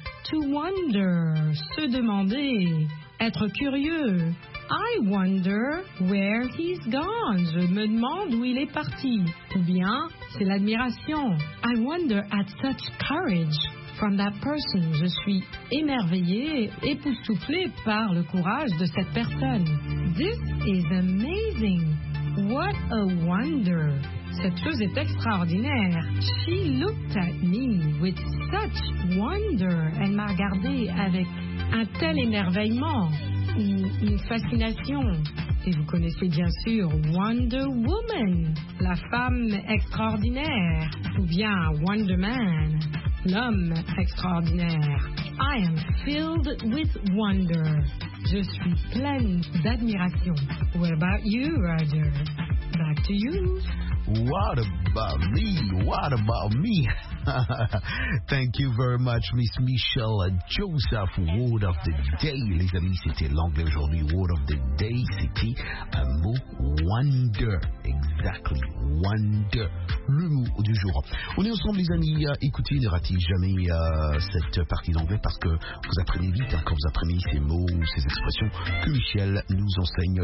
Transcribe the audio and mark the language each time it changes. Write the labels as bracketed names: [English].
[English] To wonder, [French] se demander, être curieux. [English] I wonder where he's gone. [French] Je me demande où il est parti. Ou bien, c'est l'admiration. [English] I wonder at such courage from that person. [French] Je suis émerveillée, époustouflée par le courage de cette personne. [English] This is amazing. What a wonder. [French] Cette chose est extraordinaire. [English] She looked at me with such wonder. [French] Elle m'a regardé avec un tel émerveillement. Une fascination. Et vous connaissez bien sûr Wonder Woman, la femme extraordinaire. Ou bien Wonder Man, l'homme extraordinaire. [English] I am filled with wonder. [French] Je suis pleine d'admiration. [English] What about you, Roger? Back to you. What about me? What about me? Thank you very much, Miss Michelle Joseph. Word of the day, [French] les amis, c'était l'anglais aujourd'hui. Word of the day, c'était un mot wonder. Exactly, wonder, le mot du jour. On est ensemble, les amis. Écoutez, ne ratez jamais cette partie d'anglais, parce que vous apprenez vite, hein, quand vous apprenez ces mots, ces expressions que Michel nous enseigne.